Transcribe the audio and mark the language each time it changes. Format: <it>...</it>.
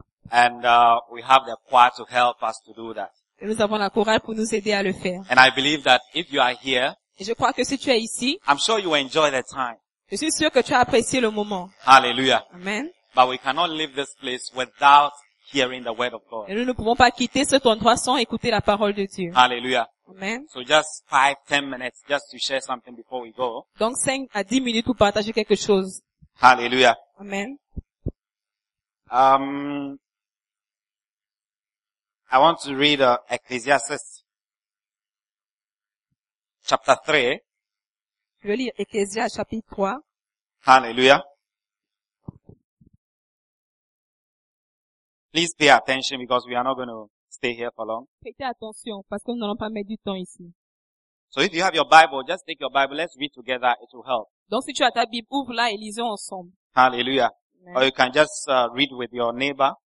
<en>And, we have the choir to help us to do that.</en> <fr>Et nous avons la chorale pour nous aider à le faire.</fr> <en>And I believe that if you are here,</en> <fr>et je crois que si tu es ici,</fr> <en>I'm sure you will enjoy the time.</en> <fr>Je suis sûr que tu as apprécié le moment.</fr> <en>Hallelujah. Amen. But we cannot leave this place without hearing the word of God.</en> <fr>Et nous ne pouvons pas quitter cet endroit sans écouter la parole de Dieu.</fr> <en>Hallelujah. Amen. So just 5-10 minutes just to share something before we go.</en> <fr>Donc 5 à 10 minutes pour partager quelque chose.</fr> <en>Hallelujah. Amen. I want to read Ecclesiastes chapter 3.</en> <fr>Je vais lire Ecclesiastes chapitre 3.</fr> <en>Hallelujah. Please pay attention because we are not going to stay here for long.</en> <fr>Faites attention parce que nous n'allons pas mettre du temps ici.</fr> <en>So if you have your Bible, just take your Bible. Let's read together. It will help.</en> <fr>Donc si tu as ta Bible, ouvre-la et lisons ensemble.</fr> <en>Hallelujah. Amen. Or you can just read with your neighbor.</en>